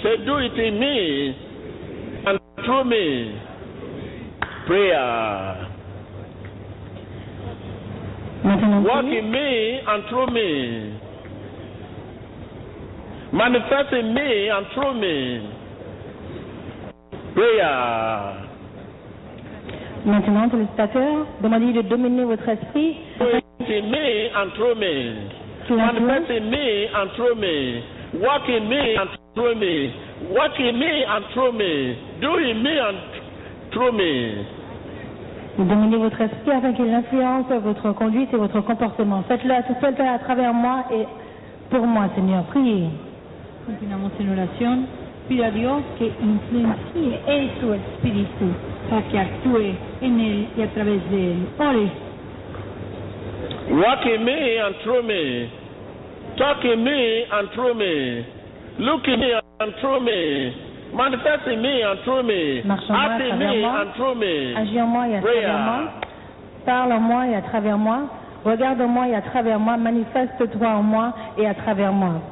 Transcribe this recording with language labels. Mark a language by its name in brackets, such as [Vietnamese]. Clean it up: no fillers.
[English] Say, do it in me and through me. Prayer. Work in me and through me. Manifest in me and through me. Prayer. [French] Maintenant, le spectateur, demandez de dominer votre esprit. [English] Do it in me and through me. Manifest in me and through me. Work in me and through me. Work in me and through me. Do in me and through me. [French] Dominez votre esprit afin qu'il influence votre conduite et votre comportement. Faites-le tout seul à travers moi et pour moi, Seigneur. Priez. [Spanish] Continuamos en oración. Pide a Dios que influencie en su espíritu para que actúe en él y a través de él. Ore. [English] Walk in me and through me. Talk in me and through me. Look in me and through me. Manifest in me and through me. Act in me and through me. [French] Agis en moi et à travers moi. Parle en moi et à travers moi. Regarde en moi et à travers moi. Manifeste-toi en moi et à travers moi.